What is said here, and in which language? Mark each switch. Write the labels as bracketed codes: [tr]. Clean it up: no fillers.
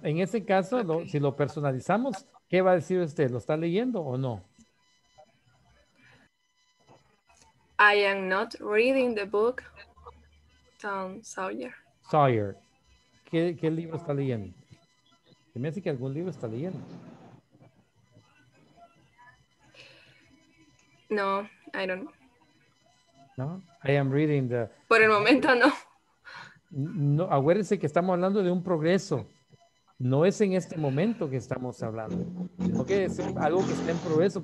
[es] En ese caso, si lo personalizamos, ¿qué va a decir usted? ¿Lo está leyendo o no? [en] I am not reading the book Tom Sawyer. [es] Sawyer. ¿Qué libro está leyendo? Se me hace que algún libro está leyendo. [en] No, I don't know. No, I am reading the... [es] Por el momento, no. No, acuérdense que estamos hablando de un progreso. No es en este momento que estamos hablando, sino que es algo que está en progreso.